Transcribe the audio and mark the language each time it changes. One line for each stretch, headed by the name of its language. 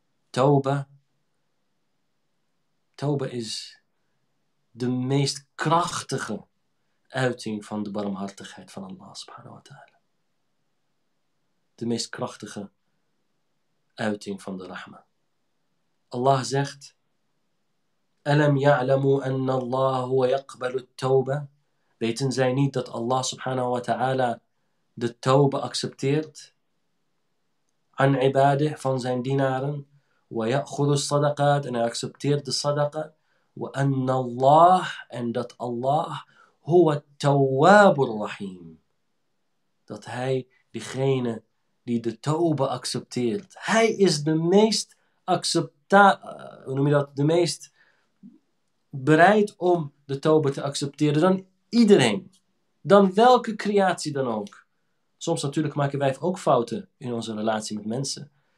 Dutch: Tauba is de meest krachtige uiting van de barmhartigheid van Allah subhanahu wa ta'ala. De meest krachtige uiting van de rahma. Allah zegt,
Arabic: أَلَمْ يَعْلَمُوا أَنَّ اللَّهُ هُوَ يَقْبَلُ التَّوْبَةِ.
Dutch: Weten zij niet dat Allah subhanahu wa ta'ala de tauba accepteert?
Arabic: عَنْ عِبَادِهِ,
Dutch: van zijn dienaren.
Arabic: وَيَأْخُذُ الصَّدَقَاتِ,
Dutch: en hij accepteert de sadaqa.
Arabic: وَأَنَّ اللَّهُ,
Dutch: en dat Allah
Arabic: هو التواب الرحيم.
Dutch: Dat hij diegene die de tauba accepteert. Hij is de meest bereid om de tauba te accepteren dan iedereen. Dan welke creatie dan ook. Soms natuurlijk maken wij ook fouten in onze relatie met mensen.